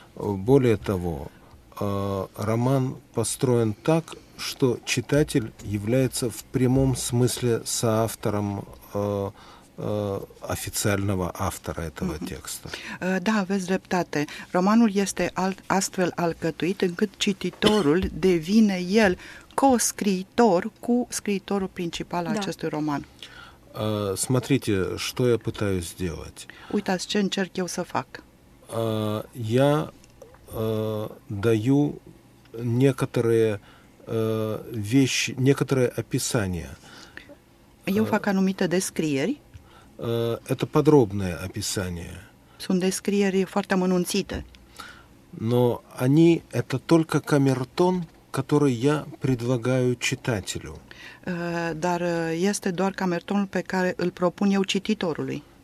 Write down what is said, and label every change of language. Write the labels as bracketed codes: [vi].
[ru] Более того, роман построен так, что читатель является в прямом смысле соавтором официального автора этого текста. Да, [ro] aveți dreptate. Romanul este astfel alcătuit încât cititorul devine el co-scriitor cu scriitorul principal al acestui roman. [ru] Смотрите, что я пытаюсь сделать. [ro] Uitați ce încerc eu să fac. [ru] Я даю некоторые вещи, некоторые описания. [ro] Eu fac anumite descrieri. [ru] Это подробное описание. [ro] Sunt descrieri foarte amănunțite. [ru] Но они, это только камертон, который я предлагаю читателю. [ro] Dar este doar камертонul pe care îl propun eu cititorului.